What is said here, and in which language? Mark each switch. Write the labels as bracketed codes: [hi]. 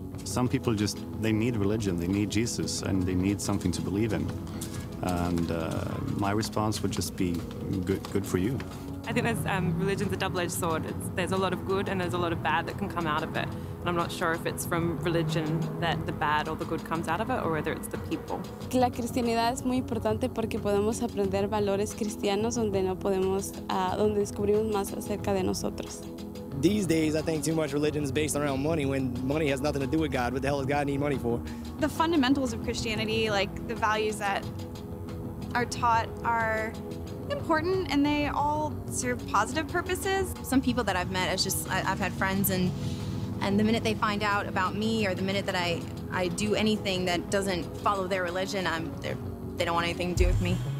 [en] Some people just, they need religion, they need Jesus, and they need something to believe in. And my response would just be, good for you. I think there's religion's a double-edged sword. There's a lot of good and there's a lot of bad that can come out of it. And I'm not sure if it's from religion that the bad or the good comes out of it, or whether it's the people. [es] La cristianidad es muy importante porque podemos aprender valores cristianos donde no podemos, donde descubrimos más acerca de nosotros. [en] These days, I think too much religion is based around money, when money has nothing to do with God. What the hell does God need money for? The fundamentals of Christianity, like the values that are taught, are important, and they all serve positive purposes. Some people that I've met, it's just, I've had friends, and the minute they find out about me, or the minute that I do anything that doesn't follow their religion, they don't want anything to do with me.